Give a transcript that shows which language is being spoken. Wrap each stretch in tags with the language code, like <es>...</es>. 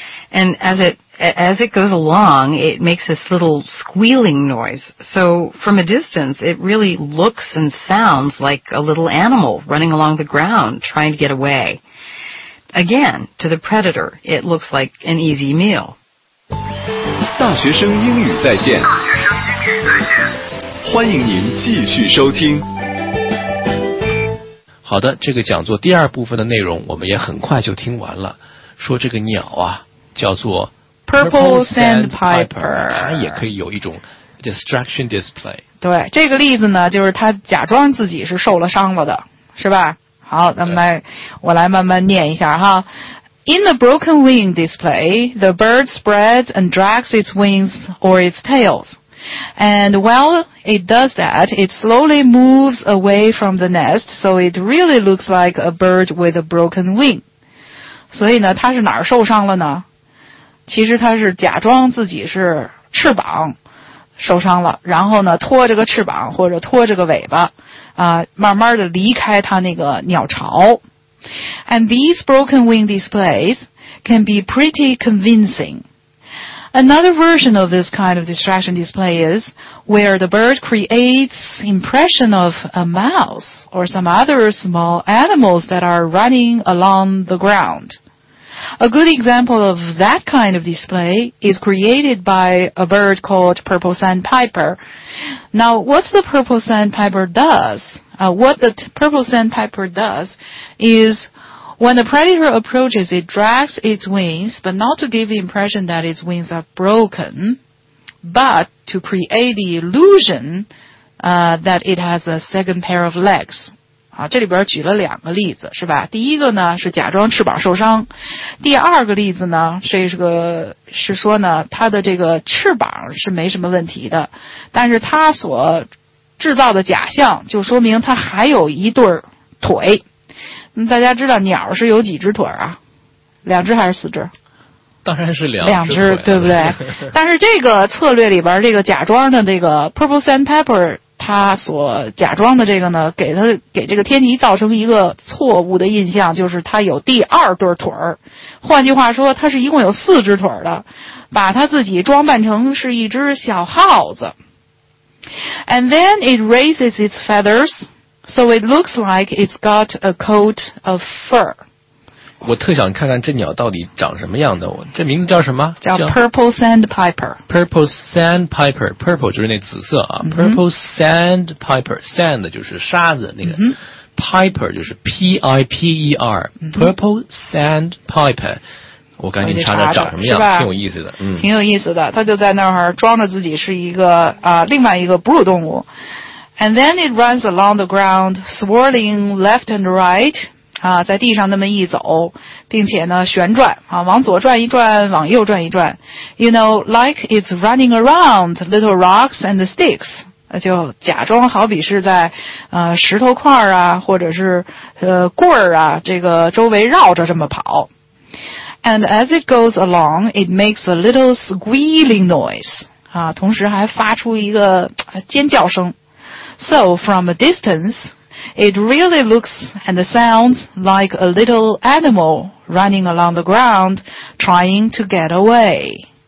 <en>And as it goes along, it makes this little squealing noise. So from a distance, it really looks and sounds like a little animal running along the ground trying to get away. Again, to the predator, it looks like an easy meal.</en> <zh>大学生英语在线，欢迎您继续收听。好的，这个讲座第二部分的内容我们也很快就听完了。说这个鸟啊，叫做 purple sandpiper，它也可以有一种 distraction display。对，这个例子呢，就是它假装自己是受了伤了的，是吧？好，那么我来慢慢念一下哈。</zh> <en>In the broken wing display, the bird spreads and drags its wings or its tails. And while it does that, it slowly moves away from the nest, so it really looks like a bird with a broken wing.</en> <zh>所以呢，它是哪儿受伤了呢？其实它是假装自己是翅膀受伤了，然后呢，拖着个翅膀或者拖着个尾巴，慢慢的离开它那个鸟巢。</zh> <en>And these broken wing displays can be pretty convincing. Another version of this kind of distraction display is where the bird creates impression of a mouse or some other small animals that are running along the ground. A good example of that kind of display is created by a bird called purple sandpiper. Now, what the purple sandpiper does? What the purple sandpiper does is, when a predator approaches, it drags its wings, but not to give the impression that its wings are broken, but to create the illusion, that it has a second pair of legs.</en> <zh>好，这里边举了两个例子，是吧？第一个呢，是假装翅膀受伤。第二个例子呢，是说呢，它的这个翅膀是没什么问题的，但是它所制造的假象就说明它还有一对腿。那大家知道鸟是有几只腿啊？两只还是四只？当然是两只，对不对？但是这个策略里边，这个假装的这个 purple sandpiper 它所假装的这个呢，给这个天敌造成一个错误的印象，就是它有第二对腿。换句话说，它是一共有四只腿的，把它自己装扮成是一只小耗子。</zh> <en>And then it raises its feathers, so it looks like it's got a coat of fur.</en> <zh>我特想看看这鸟到底长什么样的，这名字叫什么？叫 purple sandpiper. Purple sandpiper, purple 就是那紫色啊、mm-hmm. purple sandpiper, sand 就是沙子那个、mm-hmm. piper 就是 P-I-P-E-R,、mm-hmm. purple sandpiper. 我赶紧查查长什么样，挺有意思的、嗯、挺有意思的。他就在那儿装着自己是一个、另外一个哺乳动物。</zh> <en>And then it runs along the ground swirling left and right、</en> <zh>在地上那么一走，并且呢旋转、往左转一转，往右转一转，</zh> <en>You know, like it's running around little rocks and sticks，</en> <zh>就假装好比是在、石头块啊，或者是、棍儿啊，这个周围绕着这么跑。</zh> <en>And as it goes along, it makes a little squealing noise.</en> <zh>同时还发出一个尖叫声。</zh> <en>So, from a distance, it really looks and sounds like a little animal running along the ground trying to get away.</en>